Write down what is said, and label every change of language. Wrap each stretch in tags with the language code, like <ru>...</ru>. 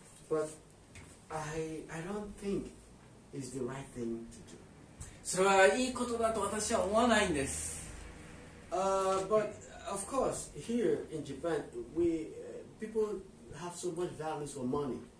<en>But I don't think it's the right thing to do.</en> <ja>それはいいことだと私は思わないんです。</ja> <en>But of course, here in Japan, we people have so much values for money.</en>